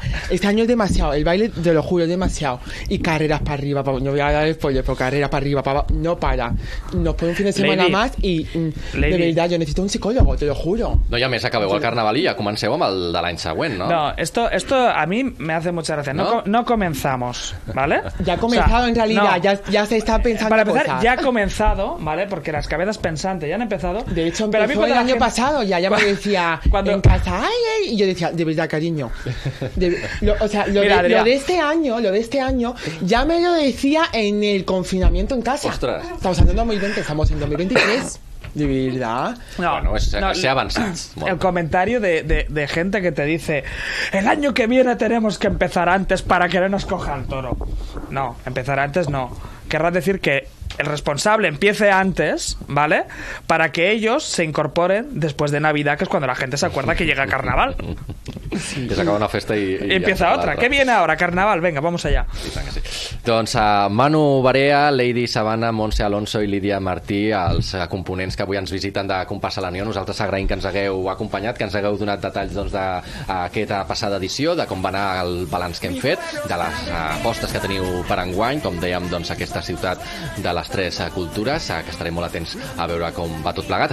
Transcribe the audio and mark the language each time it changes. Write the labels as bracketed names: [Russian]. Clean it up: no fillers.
[Spanish] Este año es demasiado, el baile, te lo juro, es demasiado. Y carreras para arriba, no voy a dar el spoiler, pero carrera para arriba, para abajo, no para. Nos pone un fin de semana Lady. Más y Lady. De verdad, yo necesito un psicólogo, te lo juro. No, ya me sacaba el carnaval y ya [Catalan] comenceu amb el de l'any següent, [Spanish] ¿no? No, esto a mí me hace mucha gracia. No comenzamos, ¿vale? Ya ha comenzado, o sea, en realidad, no. ya se está pensando. Para empezar, ya ha comenzado, ¿vale? Porque las cabezas pensantes ya han empezado. De hecho, pero a mí el año gente... pasado ya me decía cuando... en casa, ay, ay, y yo decía, de verdad, cariño. Lo de este año ya me lo decía en el confinamiento en casa. Ostras. Estamos en 2020, estamos en 2023. De verdad. Se ha avanzado. El comentario de gente que te dice: el año que viene tenemos que empezar antes para que no nos coja el toro. No, empezar antes no. Querrás decir que el responsable empiece antes, ¿vale? Para que ellos se incorporen después de Navidad, que es cuando la gente se acuerda que llega carnaval. [Catalan] Que s'acaba una festa [Spanish] i empieza otra. ¿Qué viene ahora? Carnaval. Venga, vamos allá. [Catalan] Doncs Manu Barea, Lady Sabana, Montse Alonso i Lídia Martí, els components que avui ens visiten de Compassa la Nió. Nosaltres agraïm que ens hagueu acompanyat, que ens hagueu donat detalls d'aquesta passada edició, de com va anar el balanç que hem fet, de les apostes que teniu per enguany, com dèiem, doncs, aquesta ciutat de les tres cultures, que estarem molt atents a veure com va tot plegat.